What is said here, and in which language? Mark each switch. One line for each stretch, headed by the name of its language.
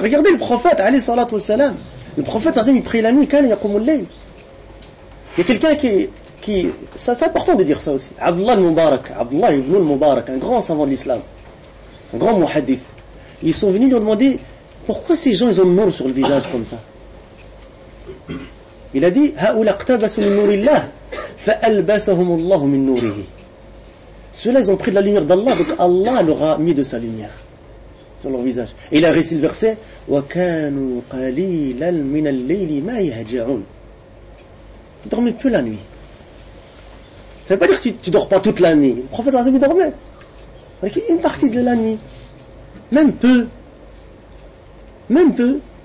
French: Regardez le prophète, alayhi salat wa salam. Le prophète, il prie la nuit, il y a quelqu'un qui. Ça, c'est important de dire ça aussi. Abdullah al-Mubarak, Abdullah ibn al-Mubarak, un grand savant de l'islam, un grand muhadith. Ils sont venus lui demander. Pourquoi ces gens ils ont le nour sur le visage comme ça? Il a dit
Arabic: هؤلاء اقتبسوا من نور الله فألبسهم الله من نوره.
French: Ceux-là ils ont pris de la lumière d'Allah, donc Allah leur a mis de sa lumière sur leur visage. Et il a récité le verset
Arabic: وكانوا قليلا من الليل ما يهجعون.
French: Ils dormaient peu la nuit. Ça ne veut pas dire que tu ne dors pas toute la nuit. Le prophète Azim dormait. Avec une partie de la nuit. Même peu. Même peu.